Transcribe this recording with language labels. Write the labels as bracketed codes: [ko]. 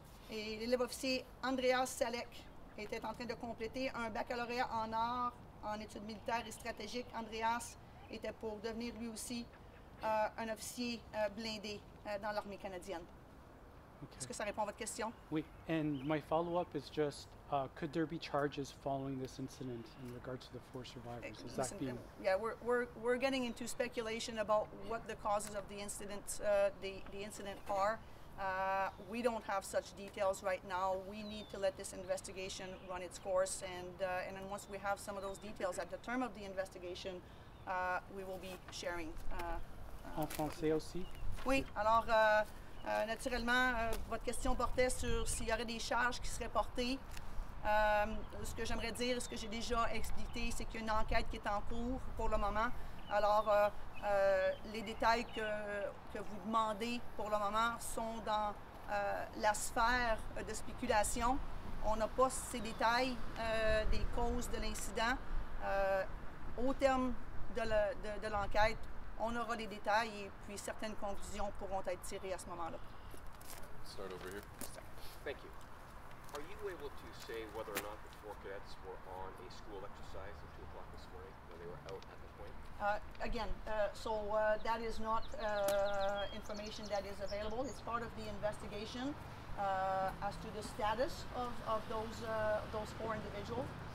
[fr] Et l'officier Andreas Salek était en train de compléter un baccalauréat en arts en études militaires et stratégiques. Andreas était pour devenir lui aussi un officier blindé dans l'armée canadienne. Okay. Est-ce que ça répond à votre question? Oui. [en] And my follow-up is just, could there be charges following this incident in regards to the four survivors? Is that being? Yeah, we're getting into speculation about what the causes of the incident are. We don't have such details right now. We need to let this investigation run its course, and then once we have some of those details at the term of the investigation, we will be sharing. [fr] En français aussi? Oui. Alors, naturellement, votre question portait sur s'il y aurait des charges qui seraient portées. Ce que j'aimerais dire, ce que j'ai déjà expliqué, c'est qu'il y a une enquête qui est en cours pour le moment. Alors, les détails que vous demandez pour le moment sont dans la sphère de spéculation. On n'a pas ces détails des causes de l'incident. Au terme de l'enquête, on aura les détails et puis certaines conclusions pourront être tirées à ce moment-là. [en] Start over here. Thank you. Are you able to say whether or not the four cadets were on a school exercise at 2 o'clock this morning when they were out at the point? That is not information that is available. It's part of the investigation as to the status of those four individuals.